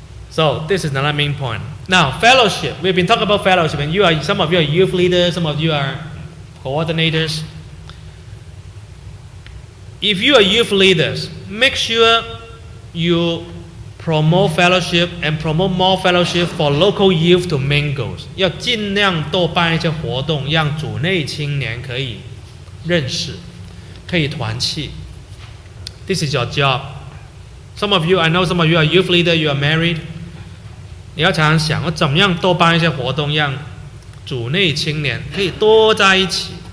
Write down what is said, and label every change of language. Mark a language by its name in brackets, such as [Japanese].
[English] So this is another main point. Now, fellowship. We've been talking about fellowship. And some of you are youth leaders. Some of you are coordinators. If you are youth leaders, make sure you promote fellowship and promote more fellowship for local youth to mingle. [Chinese] 要尽量多办一些活动, 让组内青年可以认识, 可以团契。 [English] This is your job. Some of you, I know some of you are youth leader, you are married. [Chinese] 你要常常想, 我怎么样多办一些活动, 让组内青年可以多在一起。